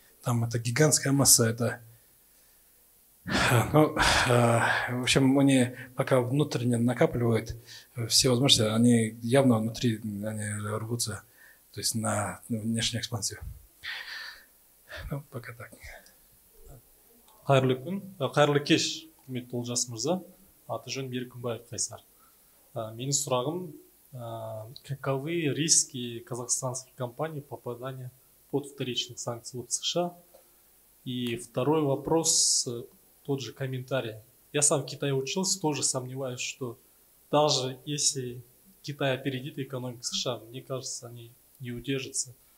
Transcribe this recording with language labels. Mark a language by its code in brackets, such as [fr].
[ru] Там это гигантская масса, это... Ну, в общем, они пока внутренне накапливают все возможности, они явно внутри они рвутся, то есть на внешнюю экспансию. Ну, пока так. [kk] Қайырлы күн, қайырлы кеш, құрметті Олжас Мырза, аты жөн Берікімбаев Қайсар. Менің сұрағым [ru] каковы риски казахстанских компаний попадания под вторичные санкции от США? И второй вопрос, тот же комментарий. Я сам в Китае учился, тоже сомневаюсь, что даже если Китай опередит экономику США, мне кажется, они не удержатся.